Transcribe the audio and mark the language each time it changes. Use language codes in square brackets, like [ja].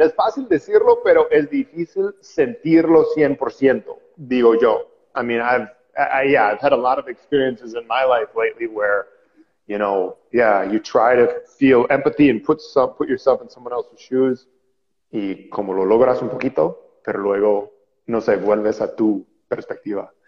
[es] Es fácil decirlo, pero es difícil sentirlo 100%, digo yo. [en] I mean, I've had a lot of experiences in my life lately where... You know, yeah, you try to feel empathy and put yourself in someone else's shoes. [es] Y como lo logras un poquito, pero luego, no sé, vuelves a tu perspectiva.